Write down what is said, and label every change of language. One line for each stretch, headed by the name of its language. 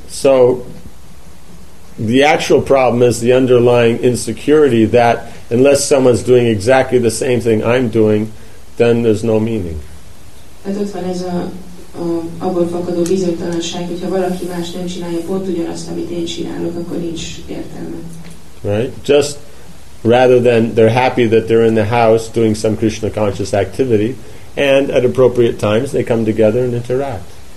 English: So the actual problem is the underlying insecurity that unless someone's doing exactly the same thing I'm doing, then there's no meaning.
Hungarian: Hát ott van ez abból fakadó bizonytalanság, hogyha valaki más nem csinálja pont ugyanazt, amit én csinálok, akkor nincs értelme.
English: Right? Just rather than they're happy that they're in the house doing some Krishna conscious activity, and at appropriate times they come together and interact.